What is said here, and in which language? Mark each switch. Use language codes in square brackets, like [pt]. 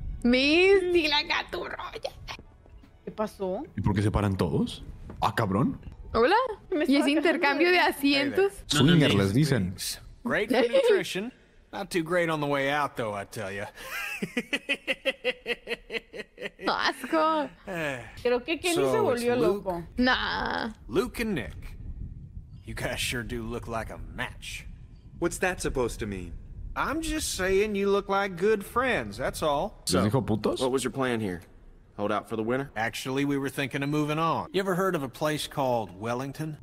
[es] Misty, la caturroya. ¿Qué pasó? ¿Y por qué se paran todos? Ah, cabrón. Hola. ¿Y ese intercambio de asientos? [en] Hey, swinger, [es] les dicen. [en] Great nutrition. Not too great on the way out, though, I tell you. [es] Asco. Creo que Kenny so se volvió Luke, loco. [en] Nah. Luke and Nick. You guys sure do look like a match. What's that supposed to mean? I'm just saying you look like good friends, that's all. So, what was your plan here? Hold out for the winter? Actually, we were thinking of moving on. You ever heard of a place called Wellington?